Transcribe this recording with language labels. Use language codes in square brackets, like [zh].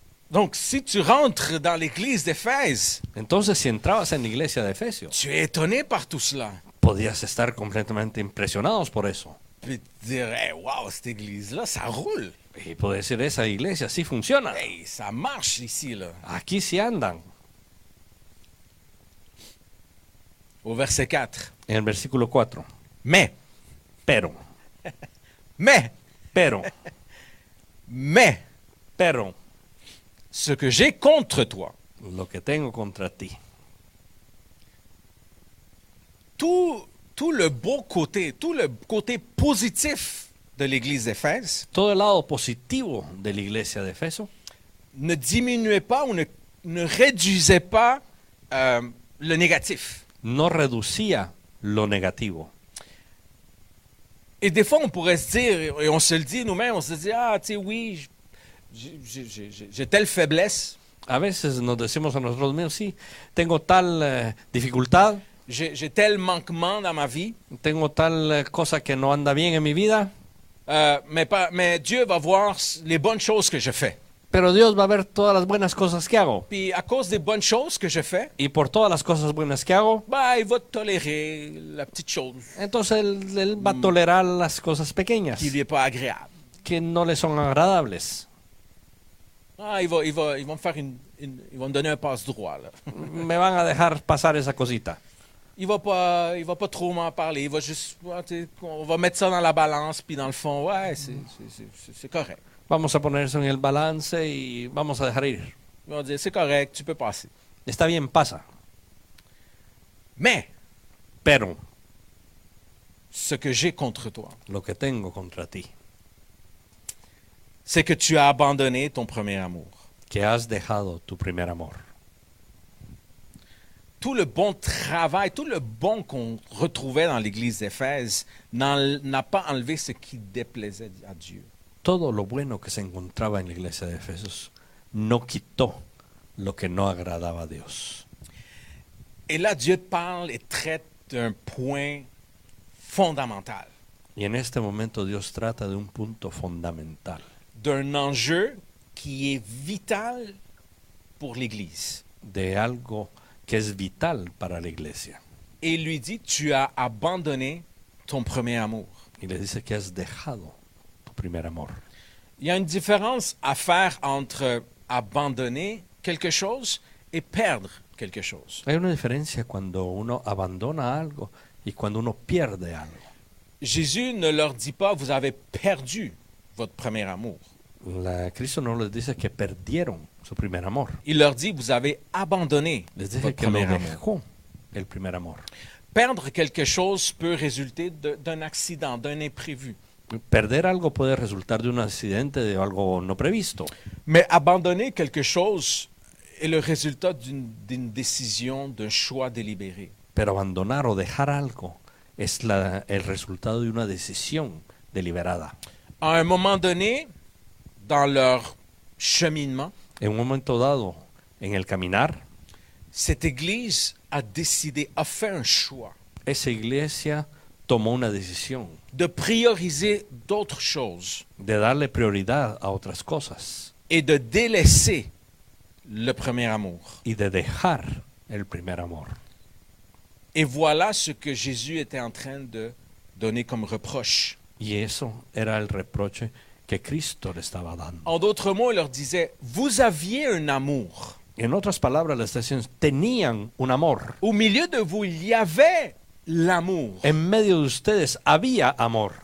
[fr] Donc, si tu rentres dans l'église d'Éphèse, [es] entonces si entrabas en la iglesia de Efesios, [fr] tu es étonné par tout cela. [es] Podías estar completamente impresionados por eso. [fr] Puis tu dirais, wow, cette église-là, ça roule. [es] Y puedes decir, esa iglesia sí funciona. [fr] Hey, ça marche ici, là. [es] Aquí sí andan. [fr] Au verset 4. [es] En el versículo 4. [fr] Mais. [es] Pero. [fr] Mais. [es] Pero. [fr] Mais. [es] Pero. [fr] Ce que j'ai contre toi. [es] Lo que tengo contra ti. [fr] Tout le beau côté, tout le côté positif de l'église d'Éphèse. [es] Todo el lado positivo de la iglesia de Éfeso. [fr] Ne diminuait pas ou ne réduisait pas le négatif. [es] No reducía lo negativo. [fr] Et des fois on pourrait se dire, et on se le dit nous-mêmes, on se dit, ah tu sais oui, j'ai telle faiblesse. [es] A veces nos decimos a nosotros mismos, sí, tengo tal dificultad. [fr] J'ai tel manquement dans ma vie. [es] Tengo tal cosa que no anda bien en mi vida. [fr] Mais Dieu va voir les bonnes choses que je fais. [es] Pero Dios va a ver todas las buenas cosas que hago. [fr] Puis à cause des bonnes choses que je fais. [es] Y por todas las cosas buenas que hago. [fr] Bah, il va tolérer la petite chose. [es] Entonces él va a tolerar las cosas pequeñas. [fr] Qui lui est pas agréable. [es] Que no le son agradables. [fr] Ah, ils vont me donner un passe droit là. [es] Me van a dejar pasar esa cosita. [fr] Il va pas trop m'en parler. Il va juste, on va mettre ça dans la balance puis dans le fond, ouais, c'est correct. [es] Vamos a poner eso en el balance y vamos a dejar ir. [fr] Ils vont dire, c'est correct, tu peux passer. [es] Está bien, pasa. [fr] Mais. [es] Pero. [fr] Ce que j'ai contre toi. [es] Lo que tengo contra ti. [fr] C'est que tu as abandonné ton premier amour. [es] Que has dejado tu primer amor. [fr] tout le bon travail, tout le bon qu'on retrouvait dans l'église d'Éphèse n'a pas enlevé ce qui déplaisait à Dieu. [es] Todo lo bueno que se encontraba en la iglesia de Efesos no quitó lo que no agradaba a Dios. [fr] Et là, Dieu parle et traite d'un point fondamental. [es] Y en este momento Dios trata de un punto fundamental. [fr] D'un enjeu qui est vital pour l'Église. [es] De algo que es vital para la iglesia. [fr] Et lui dit, tu as abandonné ton premier amour. [es] Y le dice que has dejado tu primer amor. [fr] Il y a une différence à faire entre abandonner quelque chose et perdre quelque chose. [es] Hay una diferencia cuando uno abandona algo y cuando uno pierde algo. [fr] Jésus ne leur dit pas, vous avez perdu votre premier amour. [es] La Cristo no les dice que perdieron su primer amor. [fr] Il leur dit, vous avez abandonné votre premier amour. [es] El primer amor. [fr] Perdre quelque chose peut résulter d'un accident, d'un imprévu. [es] Perder algo puede resultar de un accidente, de algo no previsto. [fr] Mais abandonner quelque chose est le résultat d'une décision, d'un choix délibéré. [es] Pero abandonar o dejar algo es el resultado de una decisión deliberada. [fr] À un moment donné, dans leur cheminement, [es] en un momento dado, en el caminar, [fr] cette église a décidé, a fait un choix. [es] Esa iglesia tomó una decisión. [fr] De prioriser d'autres choses. [es] De darle prioridad a otras cosas. [fr] Et de délaisser le premier amour. [es] Y de dejar el primer amor. [fr] Et voilà ce que Jésus était en train de donner comme reproche. [es] Y eso era el reproche que Cristo le estaba dando. [fr] En d'autres mots, il leur disait, vous aviez un amour. [es] En otras palabras, les decían, tenían un amor. [fr] Au milieu de vous, il y avait l'amour. [es] En medio de ustedes había amor.